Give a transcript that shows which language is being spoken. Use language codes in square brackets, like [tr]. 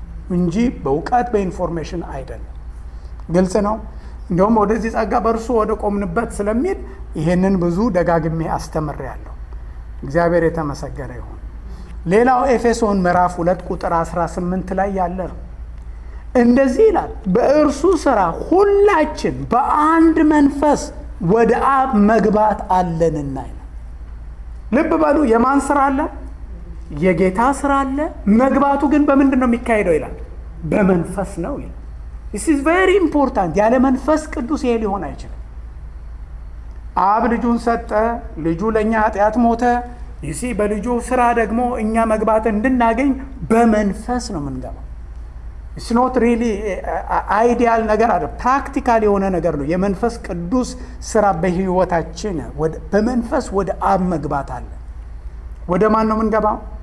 [am] እንጂ በእውቀት በኢንፎርሜሽን አይደለም። ግልጽ ነው። እንደውም ወደዚህ ጸጋ በእርሱ ወደ ቆምንበት ስለሚል ይሄንን ብዙ ደጋግሜ አስተምሬያለሁ። እግዚአብሔር የተመሰገነ ይሁን። ሌላው ኤፌሶን ምዕራፍ 2 ቁጥር 18 ላይ ያለ ነው። እንደዚህ ይላል፣ በእርሱ ሥራ ሁላችን በአንድ መንፈስ ወደ አብ መግባት አለንና ይላል። ልብ በሉ፣ የማን ሥራ አለ? የጌታ ሥራ አለ። መግባቱ ግን በምንድን ነው የሚካሄደው ይላል? በመንፈስ ነው ይላል። [en] This is very important. [am] ያለ መንፈስ ቅዱስ ይሄ ሊሆን አይችልም። አብ ልጁን ሰጠ፣ ልጁ ለኛ ኃጢአት ሞተ። ይሲ በልጁ ሥራ ደግሞ እኛ መግባት እንድናገኝ በመንፈስ ነው የምንገባው። [en] It's not really ideal [am] ነገር አይደለም፣ practical የሆነ ነገር ነው። የመንፈስ ቅዱስ ሥራ በሕይወታችን በመንፈስ ወደ አብ መግባት አለ። ወደ ማን ነው የምንገባው?